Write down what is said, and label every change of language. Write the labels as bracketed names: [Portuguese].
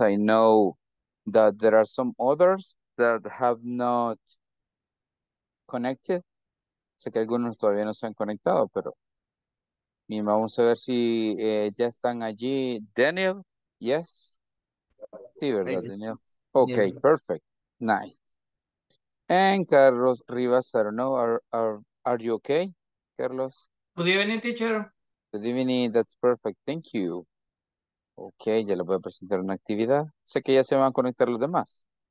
[English] I know that there are some others that have not connected. [Spanish] Sé que algunos todavía no se han conectado, pero bien, vamos a ver si ya están allí. [English] Daniel, yes. [Spanish] Sí, ¿verdad, [English] Daniel? Okay, perfect. Nice. And Carlos Rivas, I don't know, are you okay, Carlos? Good evening, teacher. Good evening, that's perfect, thank you. [Spanish] Ok, ya les voy a presentar una actividad. Sé que ya se van a conectar los demás.